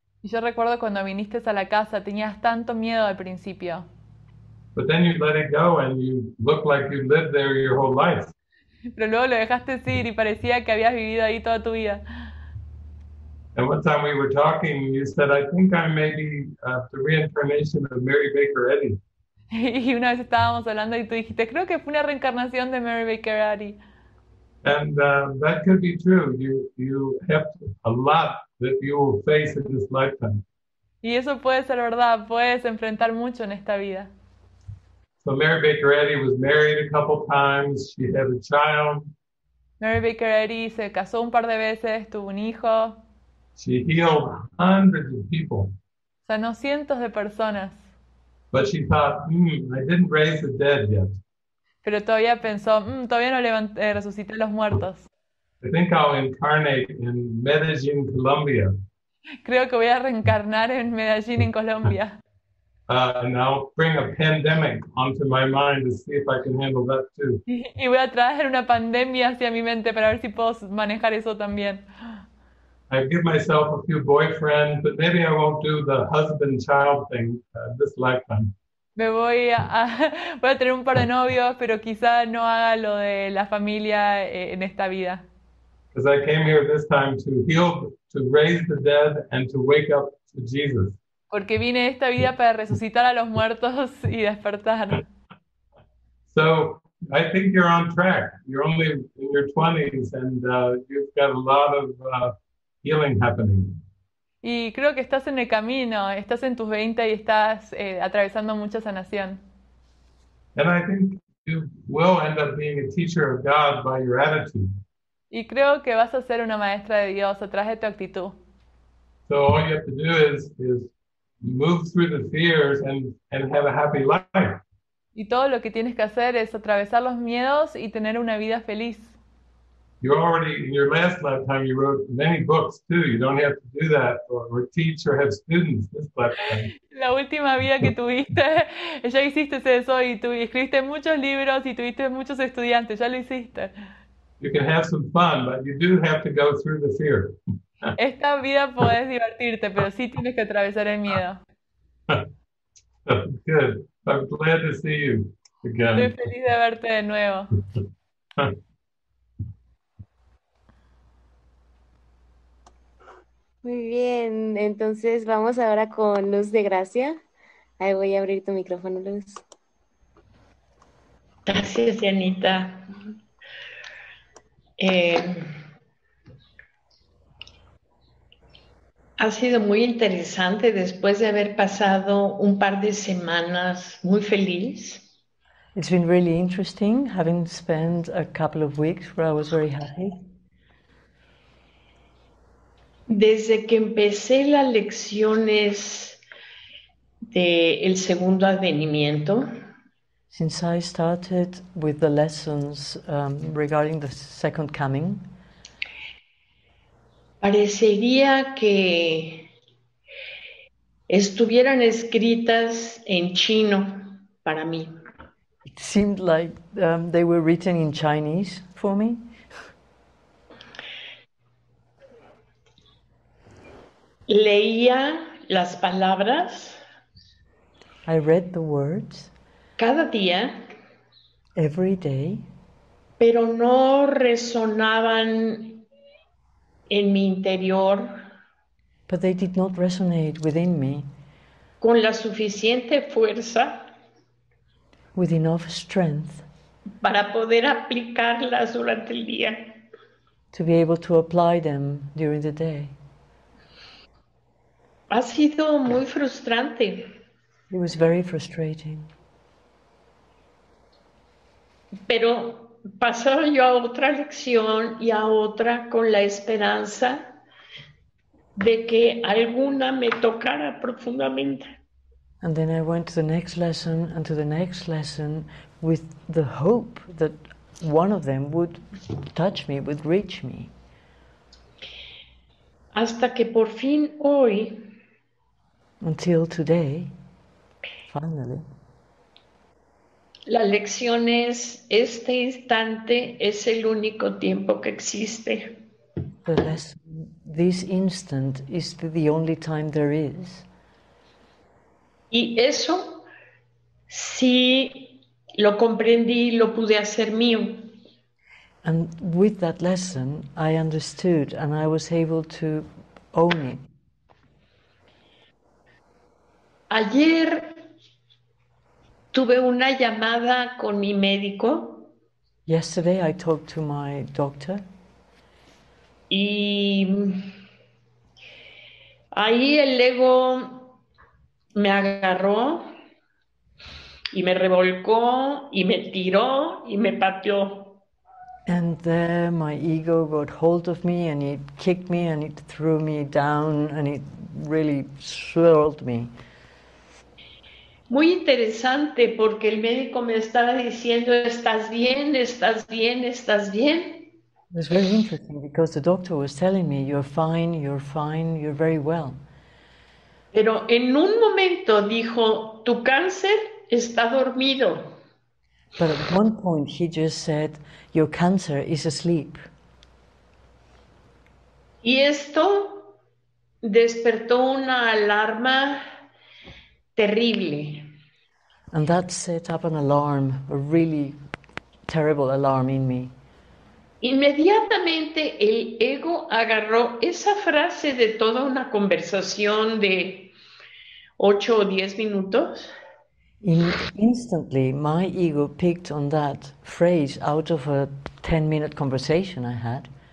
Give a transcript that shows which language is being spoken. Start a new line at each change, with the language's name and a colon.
Spanish: Y yo recuerdo cuando viniste a la casa, tenías tanto miedo al principio.
English: But then you let it go and you look like you lived there your whole life.
Spanish: Pero luego lo dejaste ir y parecía que habías vivido ahí toda tu vida.
English: One time we were talking, you said, I think I may be the reincarnation of Mary Baker Eddy.
Spanish: Y una vez estábamos hablando y tú dijiste, creo que fue una reencarnación de Mary Baker Eddy.
English: And that could be true. You have a lot that you will face in this lifetime.
Spanish: Y eso puede ser verdad, puedes enfrentar mucho en esta vida.
English: So Mary Baker Eddy was married a couple times. She had a child.
Spanish: Mary Baker Eddy se casó un par de veces, tuvo un hijo,
English: She healed hundreds of people.
Spanish: sanó cientos de personas.
English: But she thought, I didn't raise the dead yet.
Spanish: Pero todavía pensó, todavía no levanté, resucité a los muertos.
English: Think I'll incarnate in Medellín, Colombia.
Spanish: Creo que voy a reencarnar en Medellín, en Colombia.
English: And I'll bring a pandemic onto my mind to see if I can handle that too.
Spanish: Y voy a traer una pandemia hacia mi mente para ver si puedo manejar eso también.
English: I give myself a few boyfriends, but maybe I won't do the husband-child thing this lifetime.
Spanish: Voy a tener un par de novios, pero quizá no haga lo de la familia en esta vida.
English: Because I came here this time to heal, to raise the dead, and to wake up to Jesus.
Spanish: Porque vine esta vida para resucitar a los muertos y despertar.
English: So I think you're on track. You're only in your 20s, and you've got a lot of healing happening.
Spanish: Y creo que estás en el camino. Estás en tus 20 y estás atravesando mucha sanación.
English: And I think you will end up being a teacher of God by your attitude.
Spanish: Y creo que vas a ser una maestra de Dios a través de tu actitud.
English: So all you have to do is move through the fears and have a happy life.
Spanish: Y todo lo que tienes que hacer es atravesar los miedos y tener una vida feliz.
English: You already, in your last lifetime, you wrote many books too. You don't have to do that or teach or have students this lifetime.
Spanish: La última vida que tuviste, ya hiciste eso y tú escribiste muchos libros y tuviste muchos estudiantes, ya lo hiciste.
English: You can have some fun, but you do have to go through the fear.
Spanish: Esta vida puedes divertirte, pero sí tienes que atravesar el miedo.
English: Good. I'm glad to see you again.
Spanish: Estoy feliz de verte de nuevo. Muy bien, entonces vamos ahora con Luz de Gracia. Ahí voy a abrir tu micrófono, Luz. Gracias, Dianita. Ha sido muy interesante después de haber pasado un par de semanas muy feliz.
English: It's been really interesting having spent a couple of weeks where I was very happy.
Spanish: Desde que empecé las lecciones del segundo advenimiento.
English: Since I started with the lessons regarding the second coming,
Spanish: parecería que estuvieran escritas en chino para mí.
English: It seemed like they were written in Chinese for me.
Spanish: Leía las palabras.
English: I read the words.
Spanish: Cada día.
English: Every day.
Spanish: Pero no resonaban en mi interior.
English: But they did not resonate within me.
Spanish: Con la suficiente fuerza.
English: With enough strength.
Spanish: Para poder aplicarlas durante el día.
English: To be able to apply them during the day.
Spanish: Ha sido muy frustrante.
English: It was very frustrating.
Spanish: Pero pasé yo a otra lección y a otra con la esperanza de que alguna me tocara profundamente.
English: And then I went to the next lesson and to the next lesson with the hope that one of them would touch me, would reach me.
Spanish: Hasta que por fin hoy.
English: Until today, finally.
Spanish: La lección es, este instante es el único tiempo que existe.
English: The lesson, this instant is the only time there is.
Spanish: Y eso, sí, lo comprendí, lo pude hacer mío.
English: And with that lesson, I understood and I was able to own it.
Spanish: Ayer tuve una llamada con mi médico.
English: Yesterday I talked to my doctor.
Spanish: Y ahí el ego me agarró y me revolcó y me tiró y me pateó.
English: And there my ego got hold of me and it kicked me and it threw me down and it really swirled me.
Spanish: Muy interesante porque el médico me estaba diciendo, estás bien, estás bien, estás bien.
English: It was very interesting because the doctor was telling me, you're fine, you're fine, you're very well.
Spanish: Pero en un momento dijo, tu cáncer está dormido.
English: But at one point he just said, your cancer is asleep.
Spanish: Y esto despertó una alarma terrible.
English: And that set up an alarm, a really terrible alarm in me.
Spanish: Inmediatamente el ego agarró esa frase de toda una conversación de 8 o 10 minutos.
English: Instantly, my ego picked on that phrase out of a 10-minute conversation I had.